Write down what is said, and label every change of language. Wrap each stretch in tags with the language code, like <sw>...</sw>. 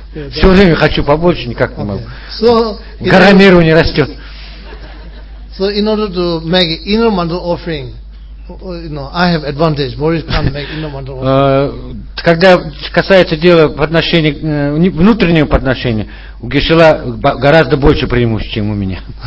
<ru>Все время хочу побольше, никак не могу.</ru> <en>So,</en> <ru>гора Меру не растет.</ru> <en>So in order to make inner mandala offering, you know, I have advantage. Boris can't make inner mandala offering.</en> <ru>Когда касается дела внутреннего подношения, у Гишела гораздо больше преимуществ, чем у меня.</ru>